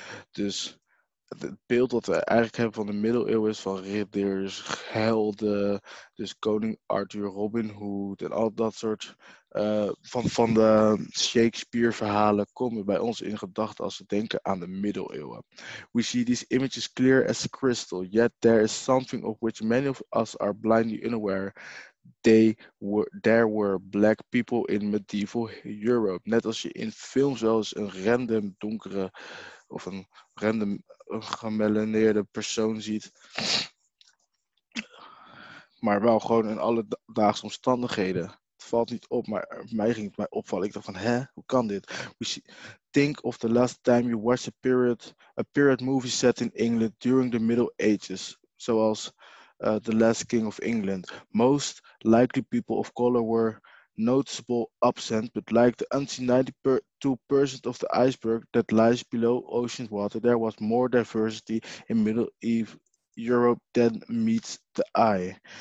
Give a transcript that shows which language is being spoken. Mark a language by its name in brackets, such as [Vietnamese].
[Dutch] Dus het beeld dat we eigenlijk hebben van de middeleeuwen is van ridders, helden, dus koning Arthur, Robin Hood en al dat soort van de Shakespeare-verhalen komen bij ons in gedachten als we denken aan de middeleeuwen. [English] We see these images clear as crystal, yet there is something of which many of us are blindly unaware. There were black people in medieval Europe. [Dutch] Net als je in films wel eens een random donkere of een random gemelaneerde persoon ziet, maar wel gewoon in alledaagse omstandigheden. Het valt niet op, maar mij ging het mij opvallen. Ik dacht van, hè, hoe kan dit? [English] Think of the last time you watched a period movie set in England during the Middle Ages, [Dutch] zoals [English] The Last King of England. Most likely people of color were noticeable absent, but like the unseen 92% of the iceberg that lies below ocean water, there was more diversity in Middle East Europe than meets the eye.